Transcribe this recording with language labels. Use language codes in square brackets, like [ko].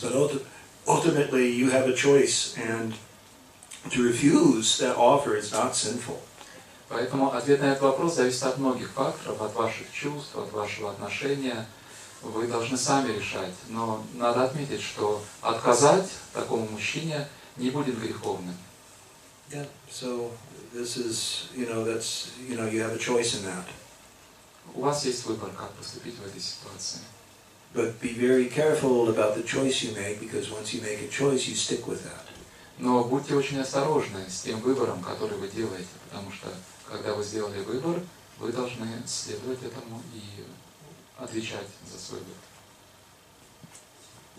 [en] But ultimately, you have a choice, and to refuse that offer is not sinful. [ru] Поэтому ответ на этот вопрос зависит от многих факторов, от ваших чувств, от вашего отношения. Вы должны сами решать. Но надо отметить, что отказать такому мужчине не будет греховным. [en] Yeah. So this is, you have a choice in that. [ru] У вас есть выбор, как поступить в этой ситуации. [en] But be very careful about the choice you make, because once you make a choice, you stick with that. [ru] Но будьте очень осторожны с тем выбором, который вы делаете, потому что когда вы сделали выбор, вы должны следовать этому и отвечать за свой выбор.